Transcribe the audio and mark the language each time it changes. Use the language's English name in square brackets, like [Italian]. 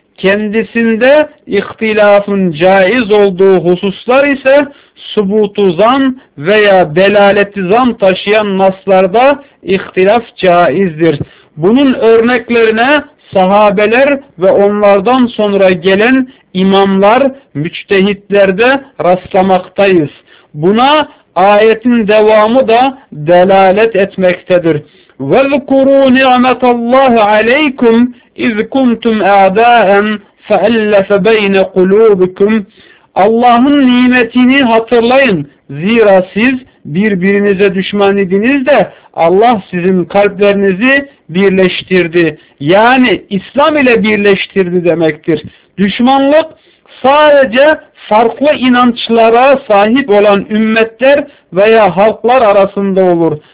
[Turkish] Kendisinde ihtilafın caiz olduğu hususlar ise subutu zan veya delaleti zan taşıyan naslarda ihtilaf caizdir. Bunun örneklerine sahabeler ve onlardan sonra gelen imamlar, müçtehitlerde rastlamaktayız. Buna ayetin devamı da delalet etmektedir. [Arabic] وَذْكُرُوا نِعْمَةَ اللّٰهِ عَلَيْكُمْ اِذْ كُمْتُمْ اَعْدَاءً فَأَلَّفَ بَيْنَ قُلُوبِكُمْ [Turkish] Allah'ın nimetini hatırlayın. Zira siz birbirinize düşman idiniz de Allah sizin kalplerinizi birleştirdi. Yani İslam ile birleştirdi demektir. Düşmanlık sadece farklı inançlara sahip olan ümmetler veya halklar arasında olur.